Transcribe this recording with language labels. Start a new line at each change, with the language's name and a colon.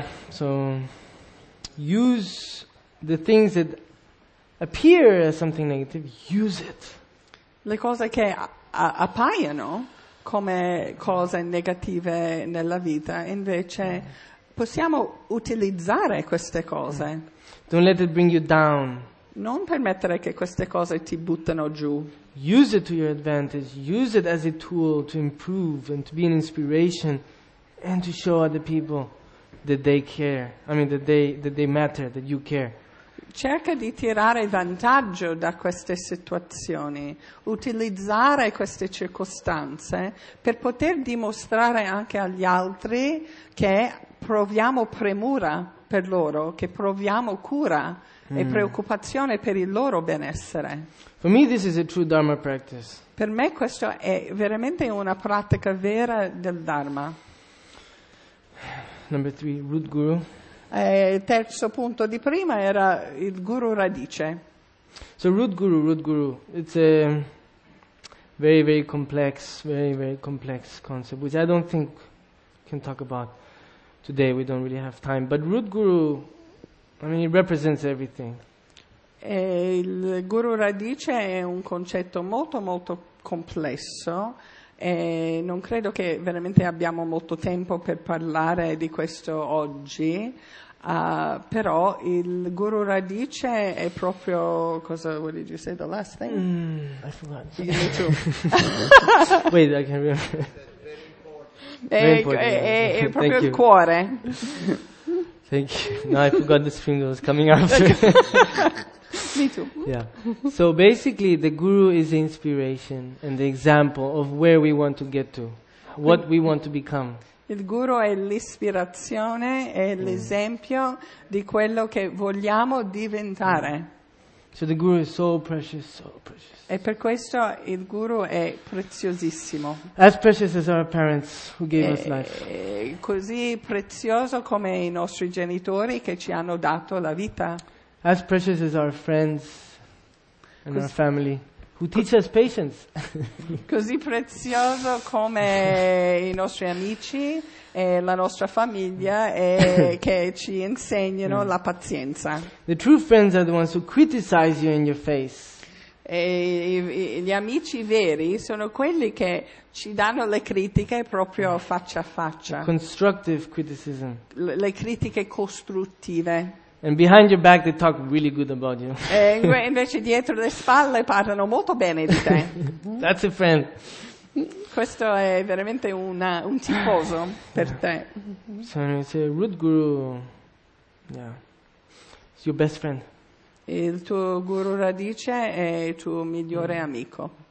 English: So use the things that appear as something negative, use it.
Italian: Le cose che appaiono come cose negative nella vita, invece possiamo utilizzare queste cose.
English: Don't let it bring you down.
Italian: Non permettere che queste cose ti buttano giù.
English: Use it to your advantage. Use it as a tool to improve and to be an inspiration and to show other people that they care. I mean that they matter, that you care.
Italian: Cerca di tirare vantaggio da queste situazioni, utilizzare queste circostanze per poter dimostrare anche agli altri che proviamo premura per loro, che proviamo cura e preoccupazione per il loro benessere.
English: For me, this is a true Dharma practice.
Italian: Per me questo è veramente una pratica vera del Dharma.
English: Number 3, root guru.
Italian: Il terzo punto di prima era il guru radice.
English: So root guru, it's a very, very complex, very, very complex concept, which I don't think we can talk about today, we don't really have time. But root guru, I mean, it represents everything.
Italian: E il guru radice è un concetto molto, molto complesso. E non credo che veramente abbiamo molto tempo per parlare di questo oggi, però il guru radice è proprio cosa.
English: What did you say the last thing? I forgot. You need to. Wait, I can remember.
Italian: È proprio il cuore.
English: Thank you. Now I forgot this thing that was coming after. Me too. Yeah. So basically, the guru is the inspiration and the example of where we want to get to, what we want to become.
Italian: Il guru è l'ispirazione e l'esempio di quello che vogliamo diventare.
English: So the guru is so precious, so precious.
Italian: E per questo il guru è preziosissimo.
English: As precious as our parents who gave us life.
Italian: Così prezioso come i nostri genitori che ci hanno dato la vita.
English: As precious as our friends and our family. Who teach us patience.
Italian: Così prezioso come i nostri amici e la nostra famiglia e che ci insegnano la pazienza.
English: The true friends are the ones who criticize you in your face.
Italian: E gli amici veri sono quelli che ci danno le critiche proprio faccia a faccia.
English: A constructive criticism.
Italian: Le critiche costruttive.
English: And behind your back they talk really good about you.
Italian: E invece dietro le spalle parlano molto bene di te.
English: That's a friend.
Italian: Questo è veramente un tifoso per te.
English: So it's a root guru. Yeah. It's your best friend.
Italian: Il tuo guru radice è il tuo migliore amico.